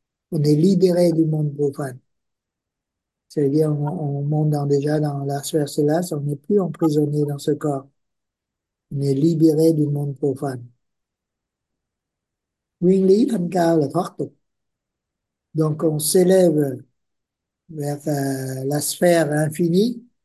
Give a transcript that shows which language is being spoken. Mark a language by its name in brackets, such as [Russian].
[French] On est libéré du monde profane. C'est-à-dire, on monte déjà dans la sphère céleste, on n'est plus emprisonné dans ce corps. On est libéré du monde profane. [Vietnamese] Nguyên lý thanh cao là thoát tục. [French] Donc, on s'élève vers la sphère infinie.